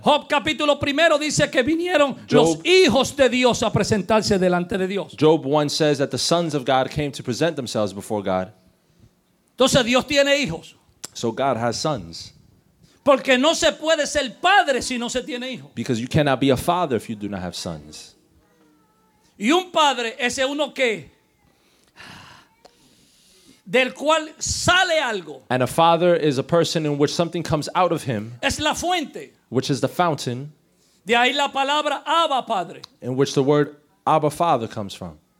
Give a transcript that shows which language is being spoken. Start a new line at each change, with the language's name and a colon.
Spanish: Job capítulo primero dice que vinieron los hijos de Dios a presentarse delante de Dios.
English: Job 1 says that the sons of God came to present themselves before God.
Spanish: Entonces Dios tiene hijos.
English: So God has sons.
Spanish: Porque no se puede ser padre si no se tiene hijos.
English: Because you cannot be a father if you do not have sons.
Spanish: Y un padre es uno que del cual sale algo.
English: And a father is a person in which something comes out of him.
Spanish: Es la fuente.
English: Which is the fountain.
Spanish: De ahí la palabra Abba Padre.
English: In which the word Abba Father comes from.